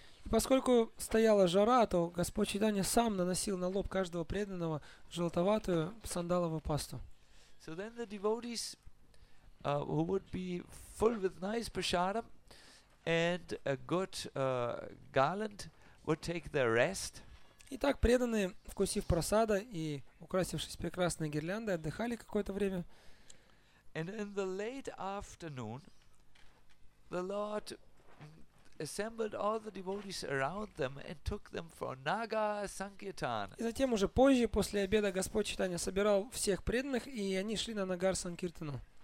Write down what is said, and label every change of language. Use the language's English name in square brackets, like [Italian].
[Russian] Поскольку стояла жара, то Господь Чайтанья сам наносил на лоб каждого преданного желтоватую сандаловую пасту. [English] So then the devotees who would be full with nice prasadam and a good garland would take their rest. [Russian] Итак, преданные, вкусив просада и украсившись прекрасной гирляндой, отдыхали какое-то время. [English] And in the late afternoon, the Lord assembled all the devotees around them and took them for Naga Sankirtan. [Russian] И затем уже позже, после обеда, Господь Чайтанья собирал всех преданных, и они шли на Нагар Санкиртану.